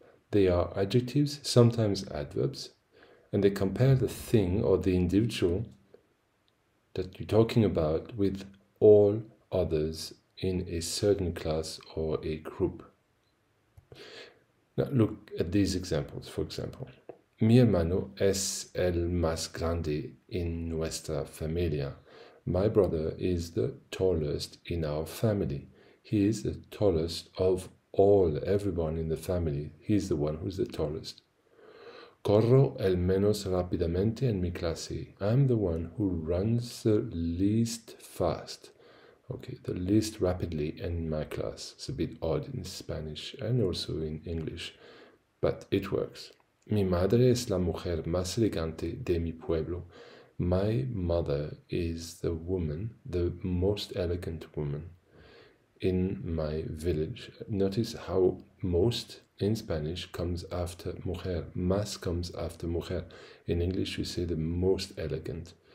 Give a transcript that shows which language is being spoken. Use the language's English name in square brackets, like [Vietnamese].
[English] They are adjectives, sometimes adverbs, and they compare the thing or the individual that you're talking about with all others in a certain class or a group. Now look at these examples, for example. [Spanish] Mi hermano es el más grande en nuestra familia. [English] My brother is the tallest in our family. He is the tallest of everyone in the family. He's the one who's the tallest. [Spanish] Corro el menos rápidamente en mi clase. [English] I'm the one who runs the least fast. Okay, the least rapidly in my class. It's a bit odd in Spanish and also in English, but it works. [Spanish] Mi madre es la mujer más elegante de mi pueblo. [English] My mother is the woman, the most elegant woman in my village. Notice how most in Spanish comes after mujer. Más comes after mujer. In English, we say the most elegant.